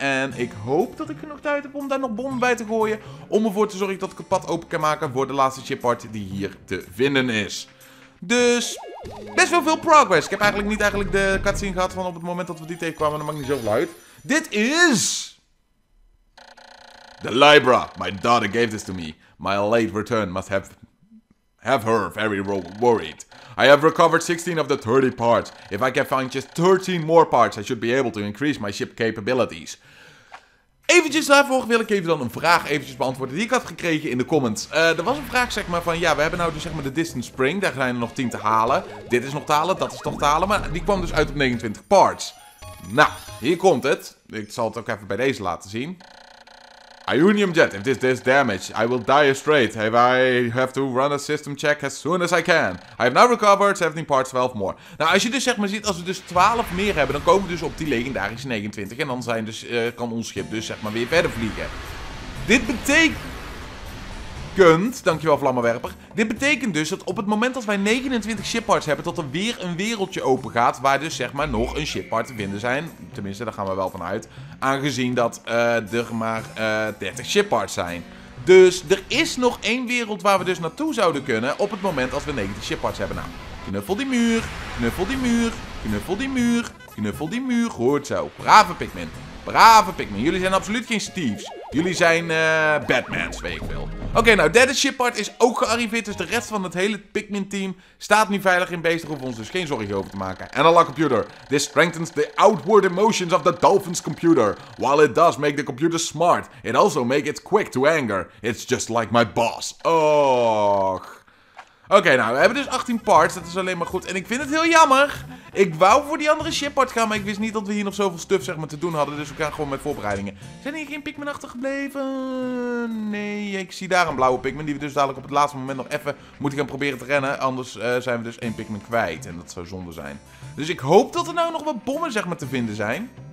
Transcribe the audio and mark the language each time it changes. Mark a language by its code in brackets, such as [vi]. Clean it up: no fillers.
[nl] En ik hoop dat ik genoeg tijd heb om daar nog bommen bij te gooien. Om ervoor te zorgen dat ik het pad open kan maken voor de laatste ship part die hier te vinden is. Dus, best wel veel progress. Ik heb eigenlijk niet eigenlijk de cutscene gehad van op het moment dat we die tegenkwamen. Dat maakt niet zoveel uit. Dit is... The Libra. [en] My daughter gave this to me. My late return must have her very worried. I have recovered 16 of the 30 parts. If I can find just 13 more parts, I should be able to increase my ship capabilities. [nl] Eventjes daarvoor wil ik even dan een vraag eventjes beantwoorden die ik had gekregen in de comments. Er was een vraag zeg maar van, ja, we hebben nou dus zeg maar de Distant Spring. Daar zijn er nog 10 te halen. Dit is nog te halen, dat is toch te halen. Maar die kwam dus uit op 29 parts. Nou, hier komt het. Ik zal het ook even bij deze laten zien. [en] Ionium Jet, if this does damage, I will die straight. If I have to run a system check as soon as I can. I have now recovered 17 parts, 12 more. [nl] Nou, als je dus zeg maar ziet, als we dus 12 meer hebben, dan komen we dus op die legendarische 29. En dan zijn dus, kan ons schip dus zeg maar weer verder vliegen. Dit betekent... Dankjewel, Vlammenwerper. Dit betekent dus dat op het moment dat wij 29 ship parts hebben, dat er weer een wereldje open gaat waar dus zeg maar nog een ship part te vinden zijn. Tenminste, daar gaan we wel van uit. Aangezien dat er maar 30 ship parts zijn. Dus er is nog één wereld waar we dus naartoe zouden kunnen op het moment als we 90 ship parts hebben. Nou, knuffel die muur, knuffel die muur, knuffel die muur, knuffel die muur. Goed zo. Brave Pikmin. Brave Pikmin. Jullie zijn absoluut geen Steve's. Jullie zijn Batman's, weet ik wel. Oké, nou, derde ship part is ook gearriveerd. Dus de rest van het hele Pikmin team staat nu veilig in beest. Daar hoeven we ons dus geen zorgen over te maken. En unlock computer. [en] This strengthens the outward emotions of the dolphin's computer. While it does make the computer smart, it also makes it quick to anger. It's just like my boss. Och. [nl] Oké, nou, we hebben dus 18 parts. Dat is alleen maar goed. En ik vind het heel jammer. Ik wou voor die andere shippart gaan, maar ik wist niet dat we hier nog zoveel stuff zeg maar, te doen hadden. Dus we gaan gewoon met voorbereidingen. Zijn hier geen Pikmin achtergebleven? Nee, ik zie daar een blauwe Pikmin die we dus dadelijk op het laatste moment nog even moeten gaan proberen te rennen. Anders zijn we dus één Pikmin kwijt en dat zou zonde zijn. Dus ik hoop dat er nou nog wat bommen zeg maar, te vinden zijn.